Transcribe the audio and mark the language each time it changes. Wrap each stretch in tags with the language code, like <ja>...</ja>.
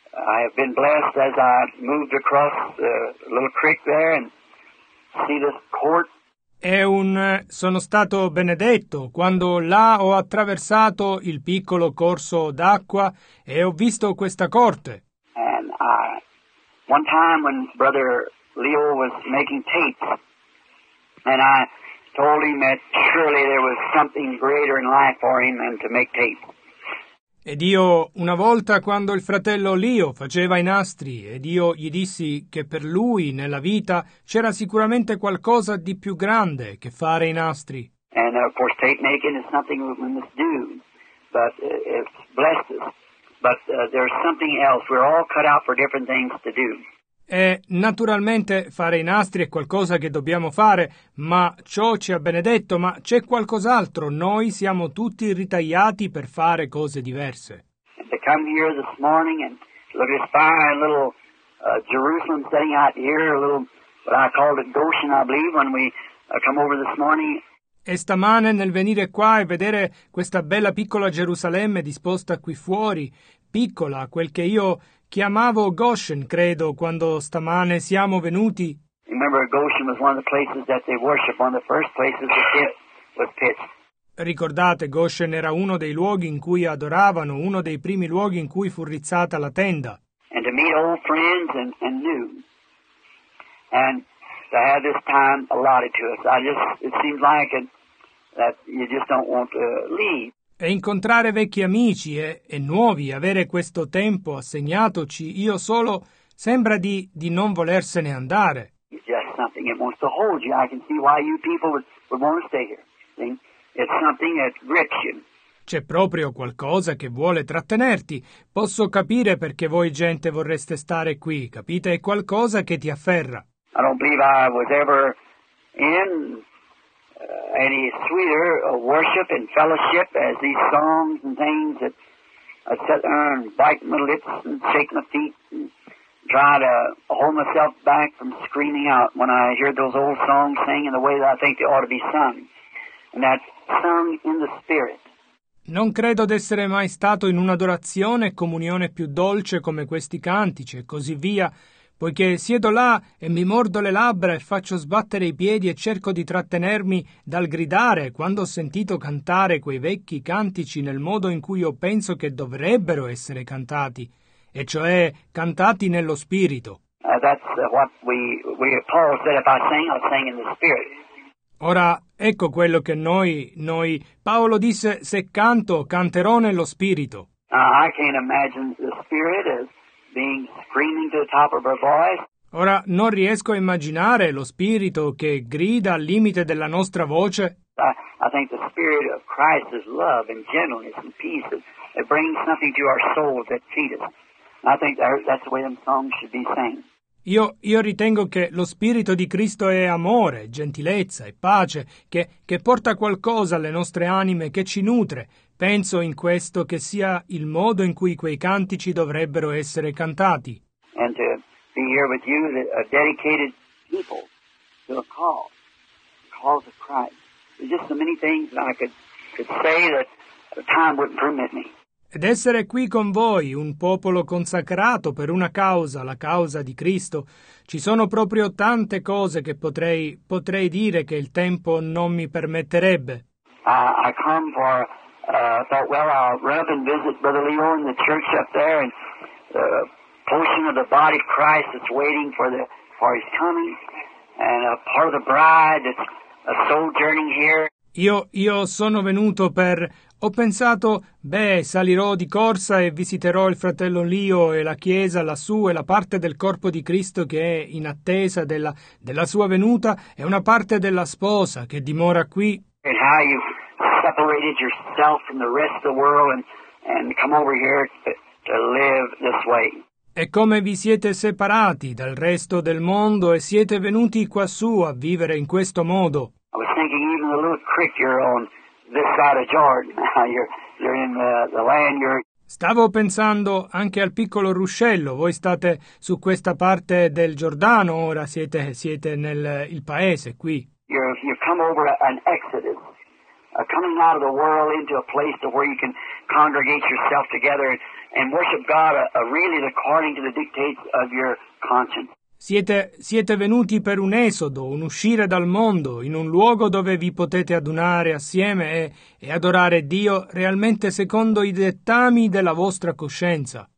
<en>I have been blessed as I moved across the little creek there and see this court.</en> <it>Sono stato benedetto quando là ho attraversato il piccolo corso d'acqua e ho visto questa corte.</it> <en>And one time when Brother Leo was making tapes, and I told him that surely there was something greater in life for him than to make tapes.</en> <it>Ed io, una volta, quando il fratello Leo faceva i nastri, ed io gli dissi che per lui, nella vita, c'era sicuramente qualcosa di più grande che fare i nastri.</it> <en>And of course tape making is nothing we must do, but it's blessed us. But there's something else. We're all cut out for different things to do.</en> <it>E naturalmente fare i nastri è qualcosa che dobbiamo fare, ma ciò ci ha benedetto, ma c'è qualcos'altro. Noi siamo tutti ritagliati per fare cose diverse.</it> <en>And to come here this morning and look at this fine little Jerusalem sitting out here, a little, what I called it, Goshen, I believe, when we come over this morning.</en> <it>E stamane nel venire qua e vedere questa bella piccola Gerusalemme disposta qui fuori, piccola, quel che io chiamavo Goshen, credo, quando stamane siamo venuti.</it> <en>Remember, Goshen was one of the places that they worshiped, one of the first places the pit was pitched.</en> <it>Ricordate, Goshen era uno dei luoghi in cui adoravano, uno dei primi luoghi in cui fu rizzata la tenda.</it> <en>And to meet old friends and new. And to have this time allotted to us. It seems like that you just don't want to leave.</en> <it>E incontrare vecchi amici e nuovi, avere questo tempo assegnatoci, io solo, sembra di non volersene andare.</it> <en>It's just something that wants to hold you. I can see why you people would want to stay here. See? It's something that grips you.</en> <it>C'è proprio qualcosa che vuole trattenerti. Posso capire perché voi gente vorreste stare qui, capite? È qualcosa che ti afferra.</it> <en>I don't believe I was ever in any sweeter worship and fellowship as these songs and things that I sit there and bite my lips and shake my feet and try to hold myself back from screaming out when I hear those old songs sing in the way that I think they ought to be sung. And that's sung in the spirit.</en> <it>Non credo d'essere mai stato in un'adorazione e comunione più dolce come questi cantici e così via, poiché siedo là e mi mordo le labbra e faccio sbattere i piedi e cerco di trattenermi dal gridare quando ho sentito cantare quei vecchi cantici nel modo in cui io penso che dovrebbero essere cantati, e cioè cantati nello spirito.</it> <en>That's what we Paul said, if I sing, I'll sing in the spirit.</en> <it>Ora, ecco quello che noi, Paolo disse, se canto, canterò nello spirito.</it> <en>I can't imagine the spirit as being screaming to the top of her voice.</en> <it>Ora, non riesco a immaginare lo spirito che grida al limite della nostra voce.</it> <en>I think the spirit of Christ is love and gentleness and peace. It brings something to our souls that feed us. I think that's the way them songs should be sang.</en> <it>Io ritengo che lo spirito di Cristo è amore, gentilezza e pace, che porta qualcosa alle nostre anime, che ci nutre. Penso in questo che sia il modo in cui quei cantici dovrebbero essere cantati.</it> <en>And to be here with you, a dedicated people to the cause of Christ. There's just so many things that I could say that the time wouldn't permit me.</en> <it>Ed essere qui con voi, un popolo consacrato per una causa, la causa di Cristo, ci sono proprio tante cose che potrei dire che il tempo non mi permetterebbe.</it> <en>I come for, thought, well, I'll run up and visit Brother Leo in the church up there, and the portion of the body of Christ that's waiting for his coming, and a part of the bride that's a sojourning here.</en> <it>Io sono venuto per... Ho pensato, beh, salirò di corsa e visiterò il fratello Leo e la chiesa lassù e la parte del corpo di Cristo che è in attesa della sua venuta e una parte della sposa che dimora qui.</it> <en>And how you separated yourself from the rest of the world and come over here to live this way.</en> <it>E come vi siete separati dal resto del mondo e siete venuti quassù a vivere in questo modo.</it> <en>I was thinking even a little creek you're on. This side of Jordan. You're in the land.</en> <it>Stavo pensando anche al piccolo ruscello. Voi state su questa parte del Giordano. Ora siete nel il paese qui.</it> <en>You've come over an exodus, coming out of the world into a place to where you can congregate yourself together and worship God, really according to the dictates of your conscience.</en> <it>Siete venuti per un esodo, un uscire dal mondo, in un luogo dove vi potete adunare assieme e adorare Dio realmente secondo i dettami della vostra coscienza.</it>